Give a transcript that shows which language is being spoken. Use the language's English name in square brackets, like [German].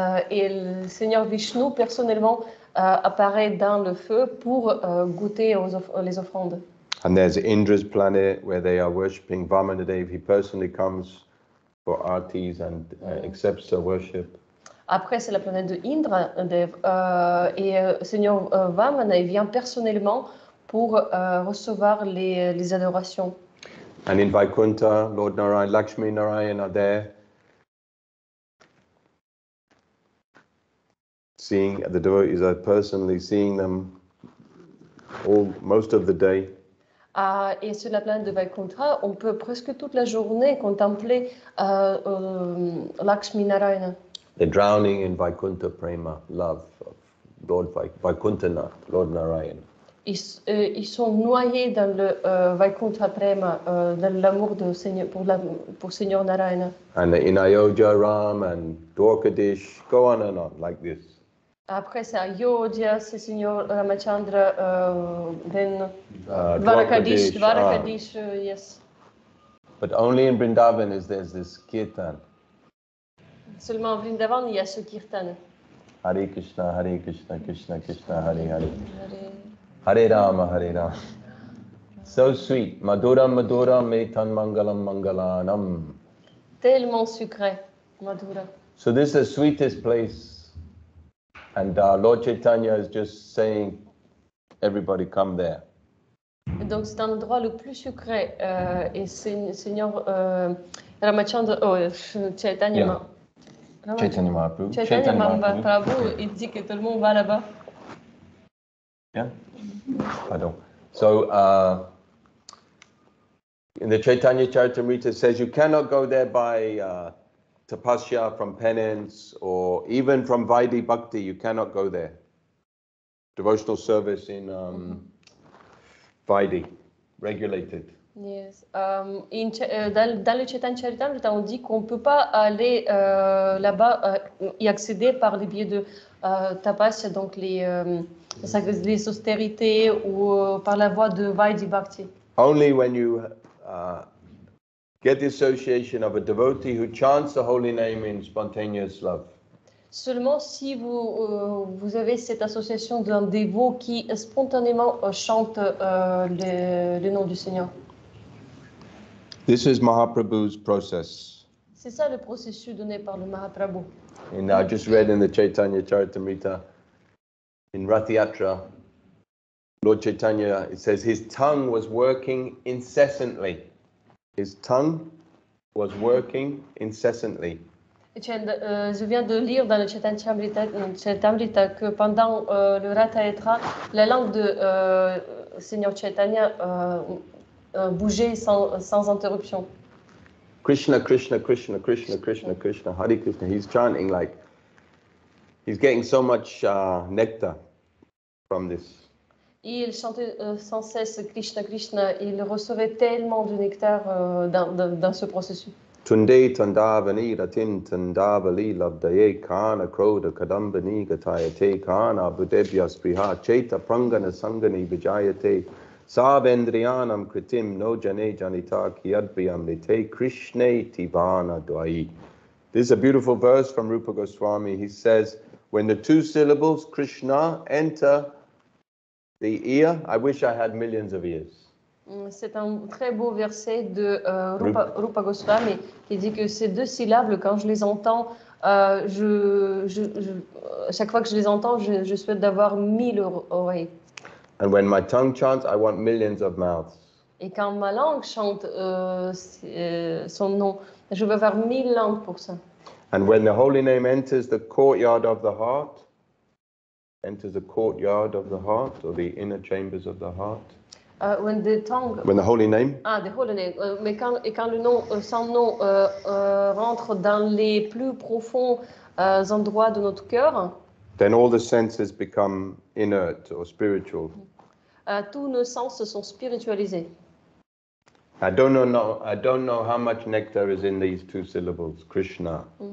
[French] Et le Seigneur Vishnu personnellement apparaît dans le feu pour goûter les offrandes. [English] And there's Indra's planet where they are worshipping Vamanadeva. He personally comes for artis and accepts the worship. [French] Après, c'est la planète de Indra, et Seigneur Vamana vient personnellement pour recevoir les adorations. [English] And in Vaikuntha, Lord Narayan, Lakshmi Narayan are there, seeing the devotees are personally seeing them all most of the day. [French] Et sur la planète de Vaikuntha, on peut presque toute la journée contempler Lakshmi Narayana. [English] They're drowning in Vaikuntha Prema, love of Lord Vaikunthanath, Lord Narayana. [French] Ils sont noyés dans le Vaikuntha Prema, dans l'amour de Seigneur, pour Seigneur Narayana. [English] And in Ayodhya Ram and Dwarkadish, go on and on like this. [French] Après, c'est Ayodhya, c'est Seigneur Ramachandra, [English] then Dwarakadish, yes. But only in Vrindavan is there this kirtan. [French] Seulement en Vrindavan, il y a ce kirtan. [English] Hare Krishna, Hare Krishna, Krishna Krishna, Hare Hare. Hare Rama, Hare Rama. So sweet. [Sanskrit] Madhuram, Madhuram, Metan Mangalam, Mangalanam. [French] Tellement sucré, Madhura. [English] So this is the sweetest place. And Lord Chaitanya is just saying, everybody come there. [French] Donc c'est un endroit le plus sucré et Seigneur Ramachandra, Chaitanya, Chaitanya Mahaprabhu. Chaitanya Mahaprabhu, il dit que tout le monde va là-bas. [English] Yeah. Pardon. So, in the Chaitanya Charitamrita says you cannot go there by tapasya from penance or even from vaidhi bhakti, you cannot go there. Devotional service in vaidhi, regulated. Yes. [French] Dans le Chaitanya Charitamrita, on dit qu'on ne peut pas aller là-bas y accéder par les biais de tapasya, donc les austérités ou par la voie de vaidhi bhakti. [English] Only when you get the association of a devotee who chants the holy name in spontaneous love. [French] Seulement si vous vous avez cette association d'un dévot qui spontanément chante le nom du Seigneur. [English] This is Mahaprabhu's process. [French] C'est ça le processus donné par le Mahaprabhu. [English] And I just read in the Chaitanya Charitamrita, in Rathiatra, Lord Chaitanya, it says his tongue was working incessantly. His tongue was working incessantly. [French] Je viens de lire dans le Chaitanya Charitamrita que pendant le Rathiatra, la langue de Seigneur Chaitanya bouger sans interruption. [English] Krishna, Krishna, Krishna, Krishna, Krishna, Krishna, Hare Krishna. He's chanting like, he's getting so much nectar from this. [French] Il chantait sans cesse Krishna, Krishna. Il recevait tellement de nectar dans ce processus. [Sanskrit] Tunde tandavani ratin tandavali labdaye kana krodha kadambani gatayate kana budebhya spriha cheta prangana sangani vijayate Savendriyanam kritim no jane janita kiyadbriyam nite krishne tibana dvai. [English] This is a beautiful verse from Rupa Goswami. He says, when the two syllables Krishna enter the ear, I wish I had millions of ears. [French] C'est un très beau verset de Rupa Goswami qui dit que ces deux syllabes, quand je les entends, je chaque fois que je les entends, je souhaite d'avoir 1000 oreilles. [English] And when my tongue chants, I want millions of mouths. [French] Et quand ma langue chante son nom, je veux avoir 1000 langues pour ça. [English] And when the holy name enters the courtyard of the heart, enters the courtyard of the heart, or the inner chambers of the heart. When the tongue. When the holy name. Ah, the holy name. [French] Mais quand le nom, son nom rentre dans les plus profonds endroits de notre cœur. [English] Then all the senses become inert or spiritual. [French] Tous nos sens sont spiritualisés. [English] I don't know how much nectar is in these two syllables, Krishna.